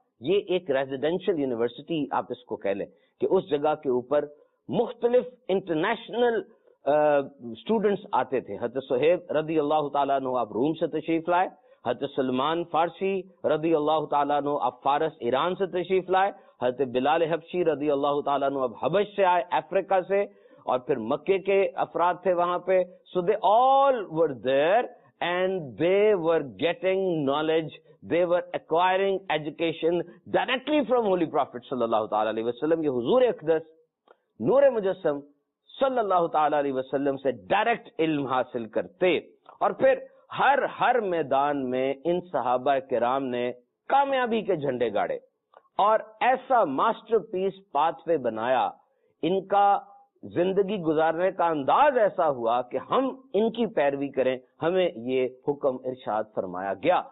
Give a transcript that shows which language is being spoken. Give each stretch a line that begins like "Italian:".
Urdu: یہ ایک residential university آپ اس کو کہہ لیں کہ اس جگہ کے اوپر مختلف انٹرنیشنل اسٹوڈینٹس آتے تھے. حضرت صہیب رضی اللہ تعالیٰ عنہ آپ روم سے تشریف لائے, حضرت سلمان فارسی رضی اللہ تعالیٰ عنہ آپ فارس ایران سے تشریف لائے, حضرت بلال حبشی رضی اللہ تعالیٰ عنہ آپ حبش سے آئے افریقہ سے, اور پھر مکے کے افراد تھے وہاں پہ.
English: so they all were there and they were getting knowledge, they were acquiring education directly from holy prophet
Arabic: صلی اللہ تعالی علیہ وسلم.
Urdu: یہ حضور اقدس نور مجسم صلی اللہ تعالی علیہ وسلم سے ڈائریکٹ علم حاصل کرتے. اور پھر ہر میدان میں ان صحابہ کرام نے کامیابی کے جھنڈے گاڑے اور ایسا ماسٹر پیس پاتھ وے بنایا, ان کا زندگی گزارنے کا انداز ایسا ہوا کہ ہم ان کی پیروی کریں, ہمیں یہ حکم ارشاد فرمایا گیا.